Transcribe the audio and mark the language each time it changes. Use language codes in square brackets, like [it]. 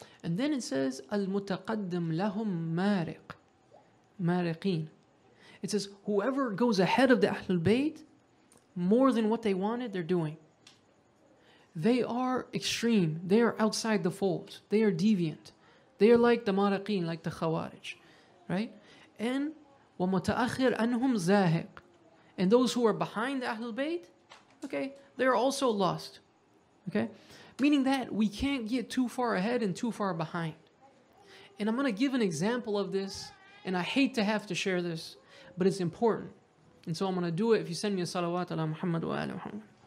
[en] And then it says, [ar] Al-Mutaqaddim lahum mariq. Mariqeen. [en] It says, whoever goes ahead of the Ahlul Bayt, more than what they wanted, they're doing. They are extreme. They are outside the fold. They are deviant. They are like the Mariqeen, like the Khawarij. Right? [ar] And, وَمُتَأَخِرْ أَنْهُمْ زَاهِقْ. [en] And those who are behind the Ahlul Bayt, okay, they're also lost. Okay? Meaning that we can't get too far ahead and too far behind. And I'm going to give an example of this. And I hate to have to share this, but it's important. And so I'm going to do it if you send me a salawat ala Muhammad wa ala Muhammad.